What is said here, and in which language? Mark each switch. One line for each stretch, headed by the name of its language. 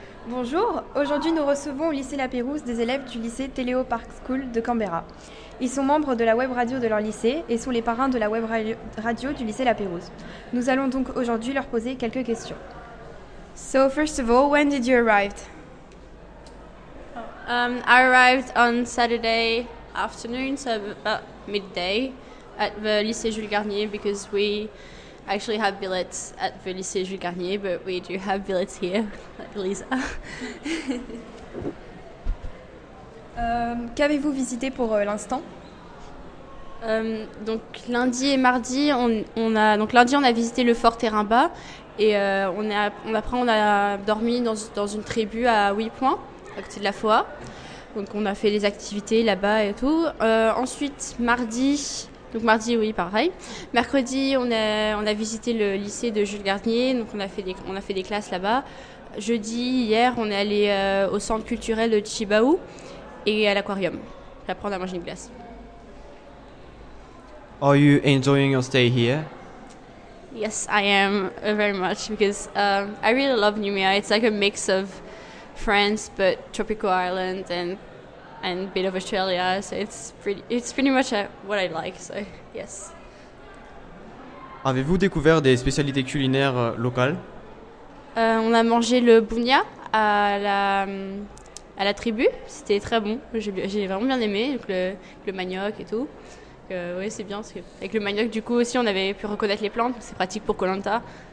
French: Bonjour, aujourd'hui nous recevons au lycée La Pérouse des élèves du lycée Téléo Park School de Canberra. Ils sont membres de la web radio de leur lycée et sont les parrains de la web radio du lycée La Pérouse. Nous allons donc aujourd'hui leur poser quelques questions.
English: So first of all, when did you arrive? I arrived on Saturday afternoon, so about midday, at the lycée Jules Garnier because we actually have billets at the Lycée Jules Garnier, but we do have billets here, like Lisa.
French: qu'avez-vous visité pour l'instant? Donc lundi et mardi, on a visité le Fort Terrain-Bas et on a dormi dans une tribu à 8 points, à côté de la FOA. Donc on a fait les activités là-bas et tout. Ensuite, mardi... Donc mardi, oui, pareil. Mercredi, on a visité le lycée de Jules Garnier, donc on a fait des classes là-bas. Jeudi, hier, on est allé au centre culturel de Chibaou et à l'aquarium, pour apprendre à manger une glace.
English: Are you enjoying your stay here? Yes, I am very much because I really love Numia. It's like a mix of France, but tropical island and a bit of Australia, so it's pretty much what I like, so yes.
French: Avez-vous découvert des spécialités culinaires locales? On a mangé le bougna à la tribu, c'était très bon, j'ai vraiment bien aimé, donc le manioc et tout. Oui, c'est bien, parce que avec le manioc du coup aussi on avait pu reconnaître les plantes, c'est pratique pour Koh Lanta.